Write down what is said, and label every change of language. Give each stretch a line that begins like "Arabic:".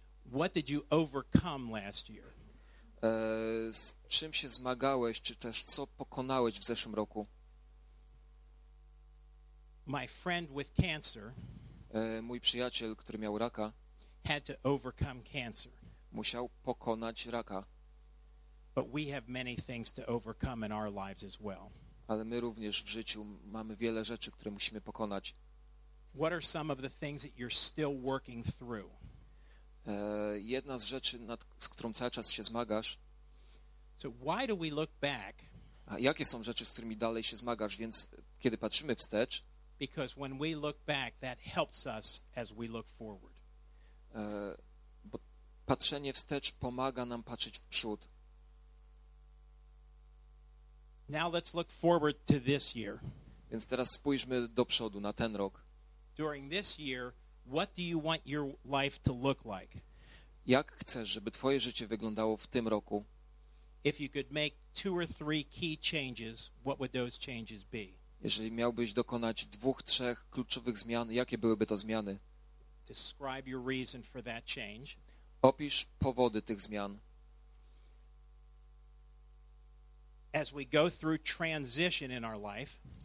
English: What did you overcome last year?
Polish: Z czym się zmagałeś, czy też co pokonałeś w zeszłym roku?
English: My friend with cancer.
Polish: Mój przyjaciel, który miał raka.
English: Had to overcome cancer.
Polish: Musiał pokonać raka.
English: But we have many things to overcome in our lives as well.
Polish: Ale my również w życiu mamy wiele rzeczy, które musimy pokonać.
English: What are some of the things that you're still working through?
Polish: Jedna z rzeczy, nad, z którą cały czas się zmagasz.
English: So why do we look back?
Polish: A jakie są rzeczy, z którymi dalej się zmagasz, więc kiedy patrzymy wstecz?
English: Because when we look back, that helps us as we look forward.
Polish: Bo patrzenie wstecz pomaga nam patrzeć w przód.
English: Now let's look forward to this year.
Polish: Więc teraz spójrzmy do przodu, na ten rok.
English: During this year, what do you want your life to look like?
Polish: Jak chcesz, żeby twoje życie wyglądało w tym roku?
English: If you could make two or three key changes, what would those changes be?
Polish: Jeżeli miałbyś dokonać dwóch, trzech kluczowych zmian, jakie byłyby to zmiany?
English: Describe your reason for that change.
Polish: Opisz powody tych zmian.
English: As we go through transition in our life.